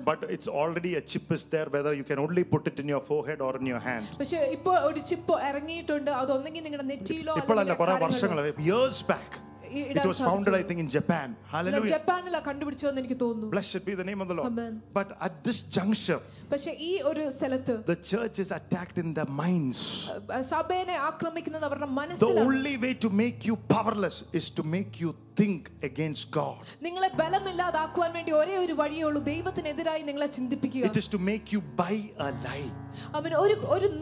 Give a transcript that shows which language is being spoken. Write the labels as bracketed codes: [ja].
[en] But it's already a chip is there whether you can only put it in your forehead or in your hand. [ml] പക്ഷേ ഇപ്പോ ഒരു chip ഇറങ്ങിയിട്ടുണ്ട്. അത് ഒന്നെങ്കിൽ നിങ്ങളുടെ നെറ്റിയിലോ അല്ലെങ്കിൽ ഇപ്പോൾ അല്ല കുറെ വർഷങ്ങൾ [en] years back. It was founded, I think, in Japan. Hallelujah. [ml] ജപ്പാനിലാ കണ്ടുപിടിച്ചതെന്ന് എനിക്ക് തോന്നുന്നു. [en] Blessed be the name of the Lord. Amen. But at this juncture, [ml] പക്ഷേ ഈ ഒരു സ്ഥലത്ത് [en] the church is attacked in the minds. [ml] സഭയെ ആക്രമിക്കുന്നത് അവരുടെ മനസ്സിലാണ്. [en] The only way to make you powerless is to make you think against God. [ml] നിങ്ങളെ ബലമില്ലാതാക്കാൻ വേണ്ടി ഒരേ ഒരു വഴിയേ ഉള്ളൂ, ദൈവത്തിനെതിരായി നിങ്ങളെ ചിന്തിപ്പിക്കുക. [en] It is to make you buy a lie.